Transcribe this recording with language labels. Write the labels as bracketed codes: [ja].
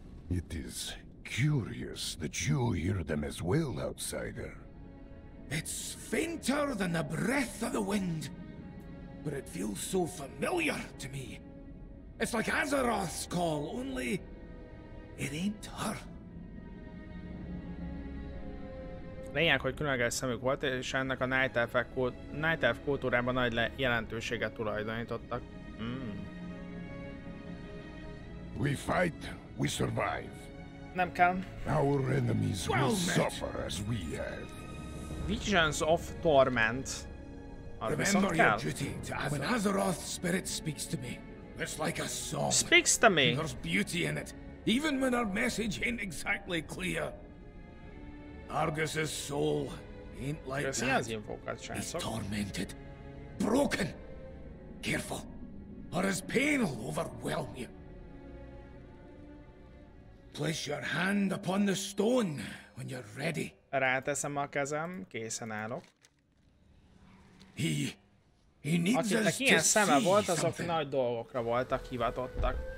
[en] It is curious that you hear them as well, outsider. It's fainter than the breath of the wind. But it feels so familiar to me. It's like Azeroth's call, only it ain't her. [hu] Lényeg, hogy különleges szemük volt, és ennek a Night Elf kultúrában nagy jelentőséget tulajdonítottak. [en] We fight, we survive. [hu] Nem kell. [en] Our enemies will suffer as we have. Visions of Torment. Remember your duty to Azeroth. When Azeroth's spirit speaks to me, it's like a song. Speaks to me. And there's beauty in it, even when our message ain't exactly clear. Argus's soul ain't like that. He's tormented, broken. Careful, or his pain'll overwhelm you. Place your hand upon the stone when you're ready. [hu] Ráteszem a kezem, készen állok. [en] He needs us to see something. [hu] Akinek ilyen szeme volt, azok nagy dolgokra voltak hivatottak.